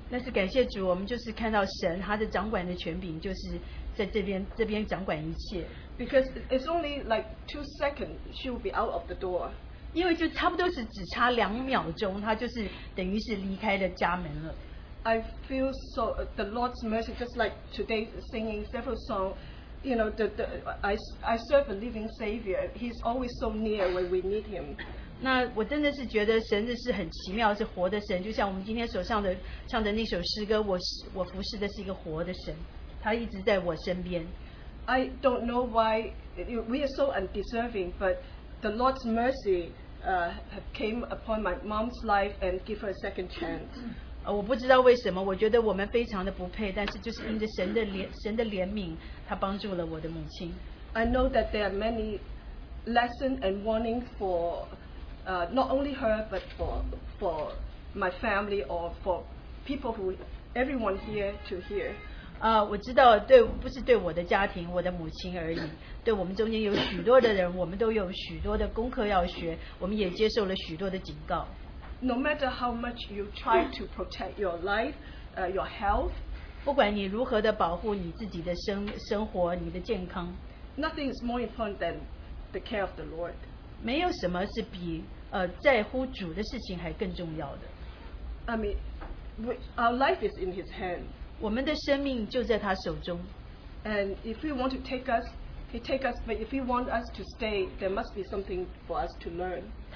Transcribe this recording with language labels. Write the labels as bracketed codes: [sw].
[zh] 但是感谢主，我们就是看到神他的掌管的权柄，就是在这边掌管一切。 [en] Because it's only like 2 seconds, she will be out of the door. [zh] 因为就差不多是只差2秒钟，她就是等于是离开了家门了。 [en] I feel so the Lord's mercy, just like today singing several songs. You know, I serve a living Savior. He's always so near when we need him. [zh] 那我真的是觉得神是很奇妙，是活的神。就像我们今天所唱的那首诗歌，我服侍的是一个活的神，他一直在我身边。 [en] I don't know why we are so undeserving, but the Lord's mercy came upon my mom's life and give her a second chance. [zh] 我不知道为什么，我觉得我们非常的不配，但是就是因着神的怜悯，他帮助了我的母亲。 [en] I know that there are many lessons and warning for not only her but for my family or for people who everyone here to hear. [zh] 我知道对，不是对我的家庭，我的母亲而已，对我们中间有许多的人，我们都有许多的功课要学，我们也接受了许多的警告。 [en] no matter how much you try to protect your life, your health, [zh] 不管你如何地保护你自己的生活，你的健康， [en] nothing is more important than the care of the Lord. [zh] 没有什么是比在乎主的事情还更重要的。 [en] I mean, our life is in His hand. [zh] 我们的生命就在他手中。 [en] And if He want to take us, He take us. But if He want us to stay, there must be something for us to learn.